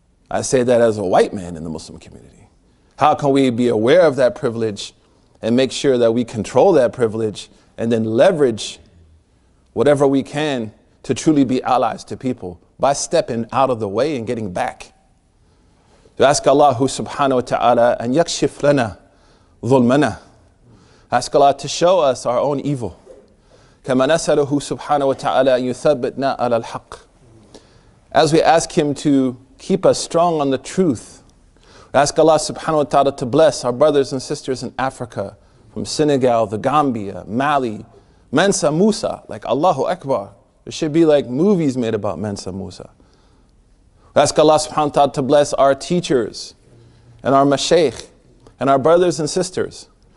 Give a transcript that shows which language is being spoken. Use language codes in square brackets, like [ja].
[en] I say that as a white man in the Muslim community. How can we be aware of that privilege and make sure that we control that privilege and then leverage whatever we can to truly be allies to people by stepping out of the way and getting back? To ask Allah subhanahu wa ta'ala and [ar] yakshif lana dhulmana. [en] Ask Allah to show us our own evil. [ar] كما نسأله سبحانه وتعالى أن يثبتنا على الحق. [en] As we ask Him to keep us strong on the truth, we ask Allah subhanahu wa ta'ala to bless our brothers and sisters in Africa, from Senegal, the Gambia, Mali, Mansa Musa, like Allahu Akbar. There should be like movies made about Mansa Musa. We ask Allah subhanahu wa ta'ala to bless our teachers and our mashaykh and our brothers and sisters.